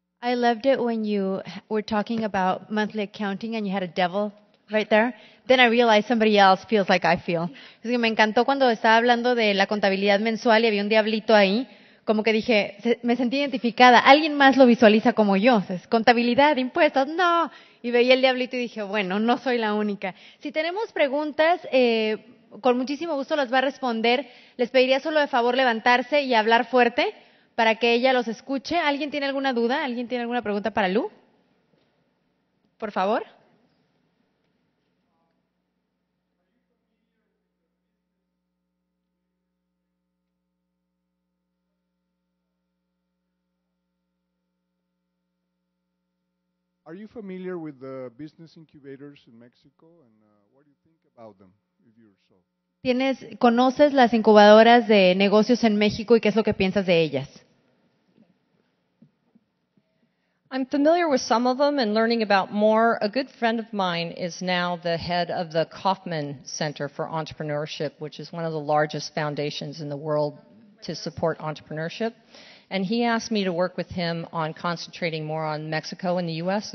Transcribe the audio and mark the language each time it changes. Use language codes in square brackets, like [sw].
[en] I loved it when you were talking about monthly accounting and you had a devil right there. Then I realized somebody else feels like I feel. [es] Es que me encantó cuando estaba hablando de la contabilidad mensual y había un diablito ahí. Como que dije, me sentí identificada. Alguien más lo visualiza como yo. Es contabilidad, impuestos, no. Y veía el diablito y dije, bueno, no soy la única. Si tenemos preguntas, con muchísimo gusto las va a responder. Les pediría solo de favor levantarse y hablar fuerte para que ella los escuche. ¿Alguien tiene alguna duda? ¿Alguien tiene alguna pregunta para Lu? Por favor. [en] Are you familiar with the business incubators in Mexico and what do you think about them if you're so? [es] ¿Tienes, conoces las incubadoras de negocios en México y qué es lo que piensas de ellas? [en] I'm familiar with some of them and learning about more. A good friend of mine is now the head of the Kauffman Center for Entrepreneurship, which is one of the largest foundations in the world to support entrepreneurship. And he asked me to work with him on concentrating more on Mexico and the U.S.